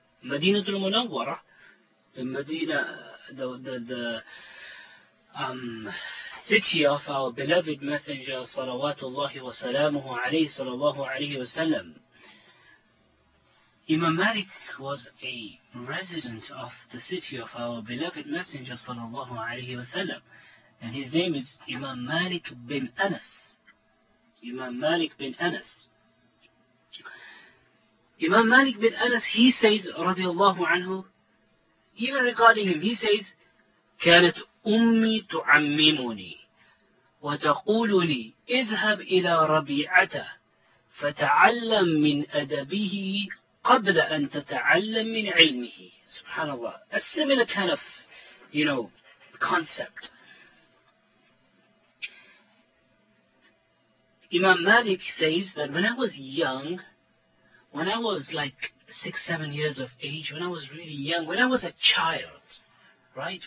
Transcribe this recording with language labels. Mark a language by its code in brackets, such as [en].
[en] Madinatul Munawwara, the city of our beloved Messenger, salawatullahi wa salamuhu alayhi, sallallahu alayhi wa sallam. Imam Malik was a resident of the city of our beloved Messenger, sallallahu alayhi wa sallam. And his name is Imam Malik bin Anas. Imam Malik bin Anas. Imam Malik bin Anas, he says, [ar] radiallahu anhu, even regarding him, he says, كانت أمي تعممني وتقول لي اذهب إلى ربيعة فتعلم من أدبه قبل أن تتعلم من علمه. [en] SubhanAllah. A similar kind of, you know, concept. Imam Malik says that when I was young, when I was like 6-7 years of age, when I was really young, when I was a child, right?